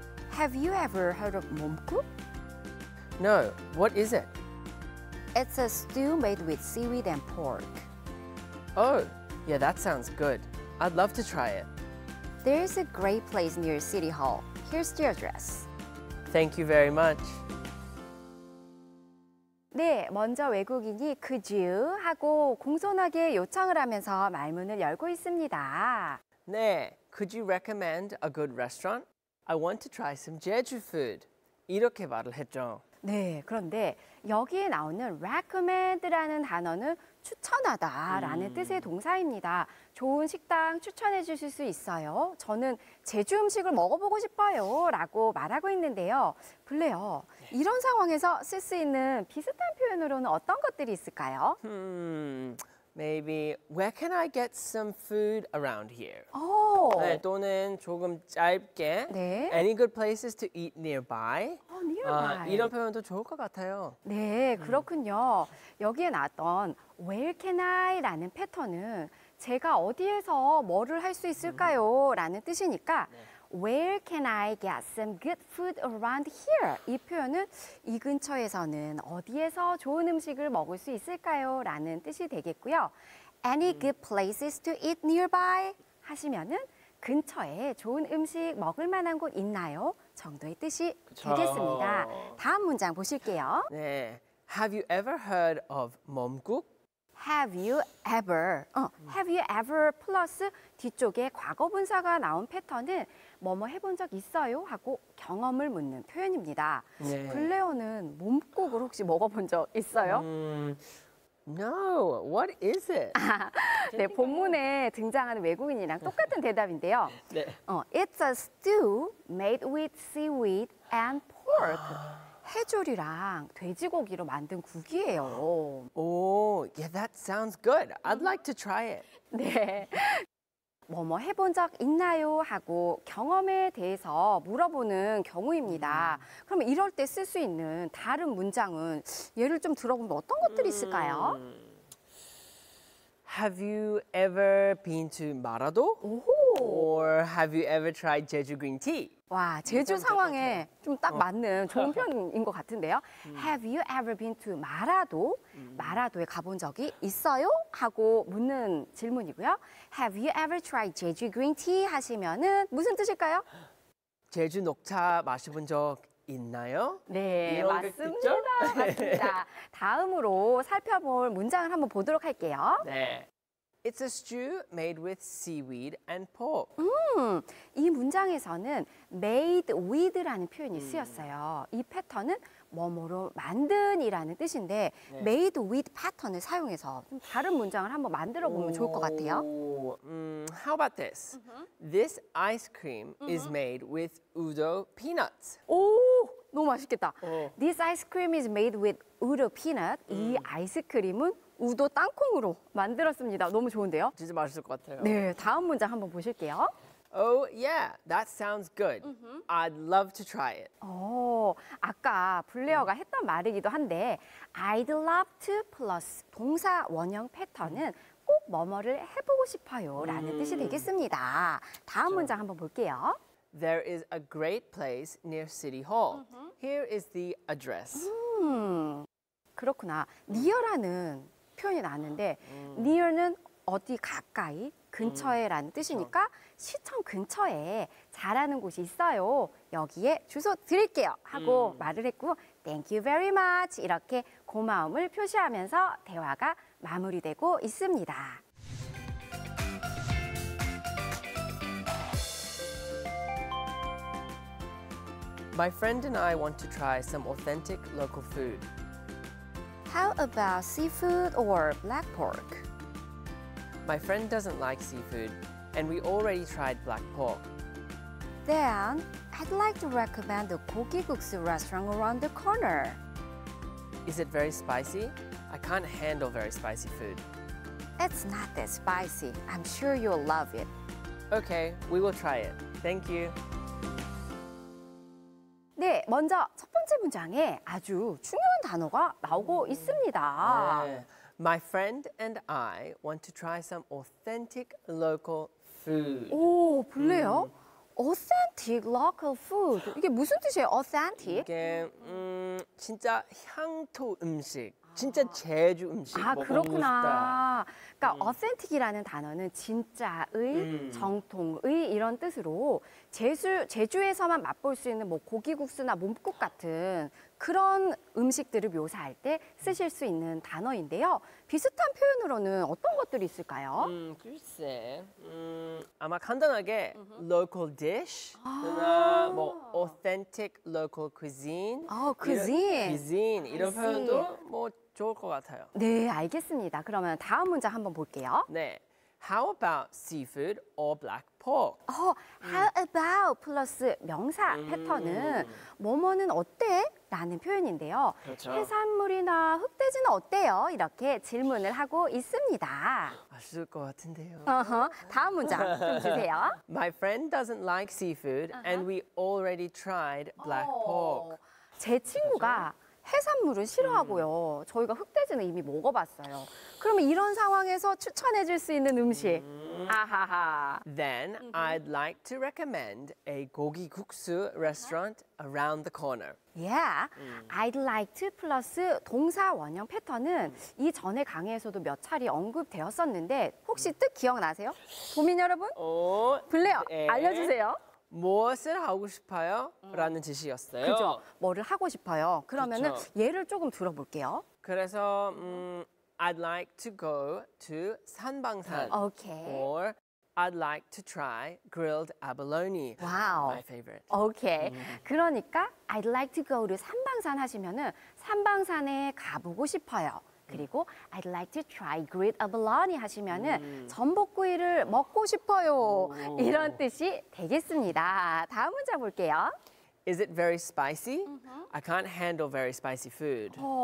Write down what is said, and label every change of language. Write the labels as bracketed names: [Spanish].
[English] Have you ever heard of momguk? No, what is it? It's a stew made with seaweed and pork. Oh, yeah, that sounds good. I'd love to try it. There's a great place near City Hall. Here's the address. Thank you very much. [Korean] 네, 먼저 외국인이 [English] could you [Korean] 하고 공손하게 요청을 하면서 말문을 열고 있습니다. 네, [English] could you recommend a good restaurant? I want to try some Jeju food. [Korean] 이렇게 말을 했죠. 네, 그런데 여기에 나오는 recommend라는 단어는 추천하다 라는 뜻의 동사입니다. 좋은 식당 추천해 주실 수 있어요? 저는 제주 음식을 먹어보고 싶어요 라고 말하고 있는데요. 블레어, 이런 상황에서 쓸 수 있는 비슷한 표현으로는 어떤 것들이 있을까요? [English] Maybe where can I get some food around here? [Korean] 오. 네, 또는 조금 짧게 네. [English] Any good places to eat nearby? [Korean] 이런 표현도 좋을 것 같아요. 네, 그렇군요. 여기에 나왔던 [English] where can I [Korean] 라는 패턴은 제가 어디에서 뭐를 할 수 있을까요? 라는 뜻이니까 네. [English] where can I get some good food around here? [Korean] 이 표현은 이 근처에서는 어디에서 좋은 음식을 먹을 수 있을까요? 라는 뜻이 되겠고요. [English] Any good places to eat nearby? [Korean] 하시면은 근처에 좋은 음식 먹을 만한 곳 있나요? 정도의 뜻이 그쵸. 되겠습니다. 다음 문장 보실게요. 네. [English] Have you ever heard of 몸국? Have you ever? Have you ever [Korean] 플러스 뒤쪽에 과거분사가 나온 패턴은 뭐뭐 해본 적 있어요? 하고 경험을 묻는 표현입니다. 네. 블레어는 몸국을 혹시 먹어본 적 있어요? [English] No, what is it? [Korean] 네, 본문에 등장하는 외국인이랑 똑같은 대답인데요. 네. [English] It's a stew made with seaweed and pork. [Korean] 해조류랑 돼지고기로 만든 국이에요. [English] Oh, yeah, that sounds good. I'd like to try it. [Korean] 네. 뭐뭐 해본 적 있나요? 하고 경험에 대해서 물어보는 경우입니다. 그럼 이럴 때 쓸 수 있는 다른 문장은 예를 좀 들어보면 어떤 것들이 있을까요? [English] Have you ever been to 마라도? Or have you ever tried Jeju green tea? [Korean] 와, 제주 상황에 좀 딱 맞는 좋은 표현인 것 같은데요. [English] Have you ever been to 마라도? [Korean] 마라도에 가본 적이 있어요? 하고 묻는 질문이고요. [English] Have you ever tried Jeju green tea? [Korean] 하시면은 무슨 뜻일까요? 제주 녹차 마셔본 적 있나요? 네, 맞습니다. 맞습니다. 다음으로 살펴볼 문장을 한번 보도록 할게요. 네. [English] It's a stew made with seaweed and pork. [Korean] 이 문장에서는 [English] made with [Korean] 라는 표현이 쓰였어요. 이 패턴은 뭐뭐로 만든이라는 뜻인데 네. [English] made with [Korean] 패턴을 사용해서 좀 다른 문장을 한번 만들어 보면 좋을 것 같아요. [English] How about this? This ice cream is made with udo peanuts. [Korean] 오, 너무 맛있겠다. [English] This ice cream is made with udo peanuts. [Korean] 이 아이스크림은 우도 땅콩으로 만들었습니다. 너무 좋은데요? 진짜 맛있을 것 같아요. 네, 다음 문장 한번 보실게요. [English] Oh, yeah, that sounds good. I'd love to try it. [Korean] 오, 아까 블레어가 했던 말이기도 한데 [English] I'd love to [Korean] plus 동사 원형 패턴은 꼭 뭐뭐를 해보고 싶어요 라는 뜻이 되겠습니다. 다음 그렇죠. 문장 한번 볼게요. [English] There is a great place near City Hall. Here is the address. [Korean] 그렇구나. near라는 표현이 나왔는데 near는 어디 가까이, 근처에 라는 뜻이니까 시청 근처에 잘하는 곳이 있어요. 여기에 주소 드릴게요. 하고 말을 했고 [English] Thank you very much. [Korean] 이렇게 고마움을 표시하면서 대화가 마무리되고 있습니다. [English] My friend and I want to try some authentic local food. How about seafood or black pork? My friend doesn't like seafood, and we already tried black pork. Then, I'd like to recommend the 고기국수 restaurant around the corner. Is it very spicy? I can't handle very spicy food. It's not that spicy. I'm sure you'll love it. Okay, we will try it. Thank you. [Korean] 네, 먼저 첫 번째 문장에 아주 중요한 단어가 나오고 있습니다. 네. [English] My friend and I want to try some authentic local food. [Korean] 오, 볼래요? [English] Authentic local food. [Korean] 이게 무슨 뜻이에요? Authentic? 이게 진짜 향토 음식. 진짜 제주 음식 먹고 그렇구나. 싶다. 그러니까 authentic이라는 단어는 진짜의, 정통의 이런 뜻으로 제주에서만 맛볼 수 있는 뭐 고기국수나 몸국 같은 그런 음식들을 묘사할 때 쓰실 수 있는 단어인데요. 비슷한 표현으로는 어떤 것들이 있을까요? 글쎄, 아마 간단하게 [English] local dish, [Korean] 뭐 [English] authentic local cuisine, [Korean] cuisine 이런 표현도 뭐 좋을 것 같아요. 네, 알겠습니다. 그러면 다음 문장 한번 볼게요. 네, [English] how about seafood or black pork? How about [Korean] 플러스 명사 패턴은 뭐뭐는 어때? 라는 표현인데요. 그렇죠. 해산물이나 흑돼지는 어때요? 이렇게 질문을 하고 있습니다. 맛있을 것 같은데요. 다음 문장 좀 주세요. [English] My friend doesn't like seafood and we already tried black pork. [Korean] 제 친구가 해산물을 싫어하고요. 저희가 흑돼지는 이미 먹어봤어요. 그러면 이런 상황에서 추천해줄 수 있는 음식. [English] Then I'd like to recommend a 고기국수 restaurant around the corner. I'd like to [Korean] 플러스 동사 원형 패턴은 이전에 강의에서도 몇 차례 언급되었었는데 혹시 뜻 기억나세요? 고민 여러분? 블레어, 알려주세요. 무엇을 하고 싶어요? 라는 지시였어요. 그죠. 뭐를 하고 싶어요. 그러면은 예를 조금 들어볼게요. 그래서 [English] I'd like to go to 산방산. Or I'd like to try grilled abalone. My favorite. [Korean] 그러니까 [English] I'd like to go to [Korean] 산방산 하시면은 산방산에 가보고 싶어요. 그리고 [English] I'd like to try grilled abalone [Korean] 하시면은 전복구이를 먹고 싶어요. 이런 뜻이 되겠습니다. 다음 문장 볼게요. [English] Is it very spicy? I can't handle very spicy food.